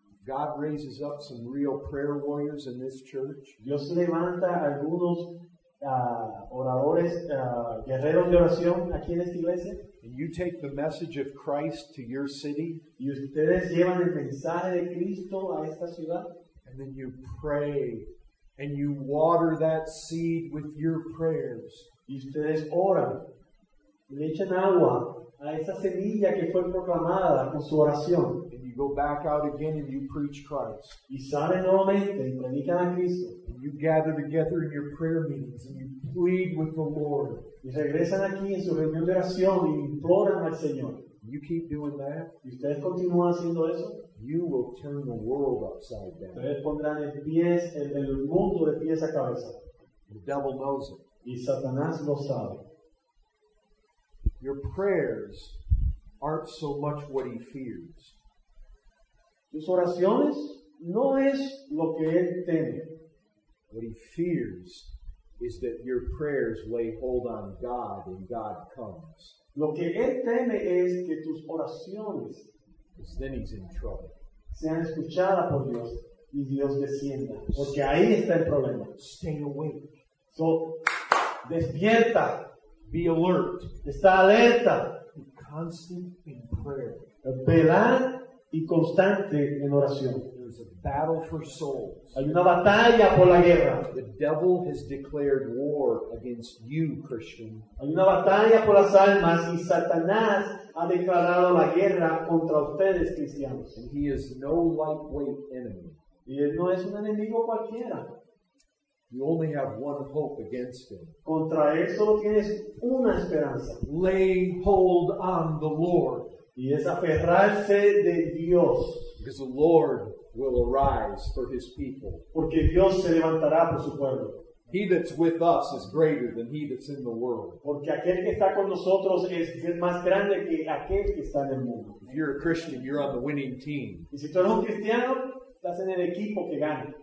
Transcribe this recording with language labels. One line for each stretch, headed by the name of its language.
English: God raises up some real prayer warriors in this church.
Spanish: Dios levanta algunos oradores, guerreros de oración aquí en esta iglesia.
English: And you take the message of Christ to your city.
Spanish: Y ustedes llevan el mensaje de Cristo a esta ciudad.
English: And then you pray and you water that seed with your prayers.
Spanish: Y ustedes oran y le echan agua a esa semilla que fue proclamada con su oración.
English: Go back out again and you preach Christ.
Spanish: Y sale nuevamente y predica a Cristo.
English: And you gather together in your prayer meetings and you plead with the Lord.
Spanish: Y regresan aquí en su reunión de oración y imploran al Señor.
English: You keep doing that.
Spanish: Y ustedes continúan haciendo eso.
English: You will turn the world upside down.
Spanish: Ustedes pondrán el mundo de pies a cabeza.
English: The devil knows it.
Spanish: Y Satanás lo sabe.
English: Your prayers aren't so much what he fears.
Spanish: Tus oraciones no es lo que él teme.
English: What he fears is that your prayers lay hold on God and God comes.
Spanish: Lo que él teme es que tus oraciones,
English: because then he's in trouble,
Spanish: sean escuchadas por Dios y Dios descienda. Porque ahí está el problema.
English: Stay awake.
Spanish: So, despierta.
English: Be alert.
Spanish: Está alerta.
English: Be constant in prayer.
Spanish: Velar y constante en oración.
English: There's a battle for souls.
Spanish: Hay una batalla por la guerra.
English: The devil has declared war against you, Christian.
Spanish: Hay una batalla por las almas y Satanás ha declarado la guerra contra ustedes, cristianos.
English: And he is no lightweight enemy.
Spanish: Y él no es un enemigo cualquiera.
English: You only have one hope against him.
Spanish: Contra él solo tienes una esperanza.
English: Lay hold on the Lord.
Spanish: Y es aferrarse de Dios.
English: Because the Lord will arise for his people.
Spanish: Porque Dios se levantará por su pueblo.
English: He that's with us is greater than he that's in the world.
Spanish: Porque aquel que está con nosotros es más grande que aquel que está en el mundo.
English: If you're a Christian, you're on the winning team.
Spanish: Y si tú eres un cristiano, estás en el equipo que gana.